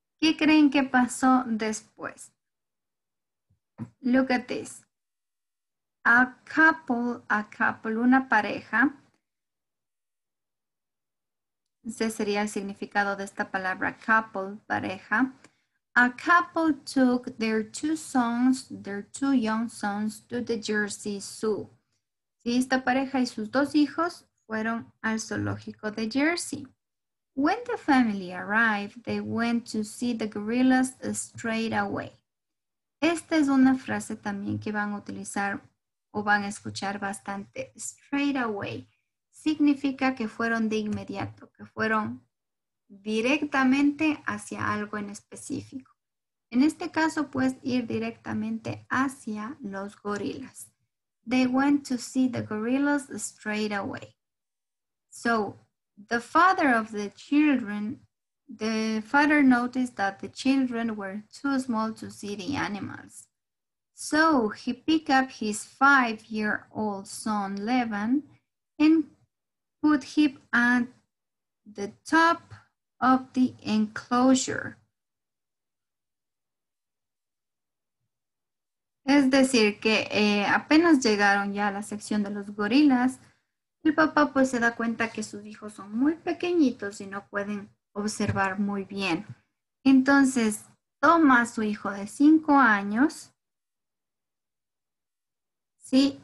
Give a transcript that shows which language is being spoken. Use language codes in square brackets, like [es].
[es] ¿Qué creen que pasó después? [en] Look at this. [es] A couple, una pareja. Ese sería el significado de esta palabra, couple, pareja. [en] A couple took their two young sons, to the Jersey Zoo. [es] Sí, esta pareja y sus dos hijos fueron al zoológico de Jersey. [en] When the family arrived, they went to see the gorillas straight away. [es] Esta es una frase también que van a utilizar o van a escuchar bastante. Straight away significa que fueron de inmediato, que fueron directamente hacia algo en específico. En este caso, puedes ir directamente hacia los gorillas. [en] They went to see the gorillas straight away. So, the father of the children, the father noticed that the children were too small to see the animals. So, he picked up his five-year-old son, Levan, and put him at the top of the enclosure. [es] Es decir, que apenas llegaron ya a la sección de los gorilas, el papá pues se da cuenta que sus hijos son muy pequeñitos y no pueden observar muy bien. Entonces toma a su hijo de 5 años, ¿sí?